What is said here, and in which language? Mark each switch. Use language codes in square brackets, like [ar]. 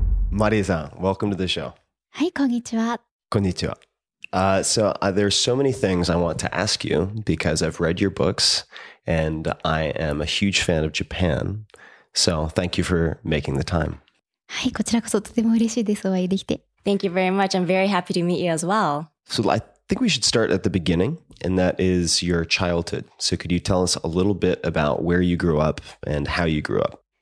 [en] Marie-san, welcome to the show. Hi, konnichiwa. [ja] Konnichiwa. [en] There's so many things I want to ask you because I've read your books and I am a huge fan of Japan. So thank you for making the time. [ja] Hi, こちらこそ とても嬉しいです。お会いできて。 [en] Thank you very much. I'm very happy to meet you as well. So I think we should start at the beginning, and that is your childhood. So could you tell us a little bit about where you grew up and how you grew up?